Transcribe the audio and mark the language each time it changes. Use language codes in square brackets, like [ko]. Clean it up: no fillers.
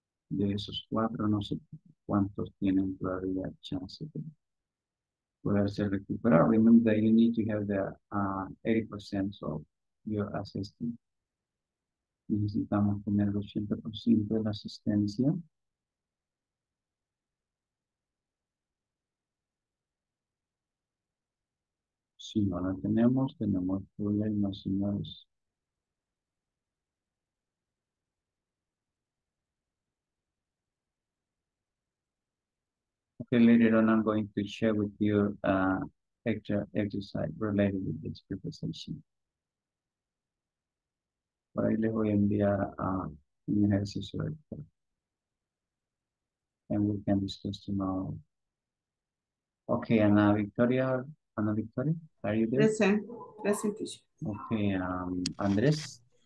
[es] De esos 4, no sé cuántos tienen todavía chance de poderse recuperar. [en] Remember that you need to have the 80% of your assistance. [es] Necesitamos tener el 80% de la asistencia. Si no la tenemos, tenemos problemas, señores. [en] Okay, later on, I'm going to share with you extra exercise related with this preposition. [es] Por ahí les voy a enviar un ejercicio extra. [en] And we can discuss tomorrow. Okay, Ana Victoria. Ana Victoria, are you there? Present. Present teacher. Okay, Andres.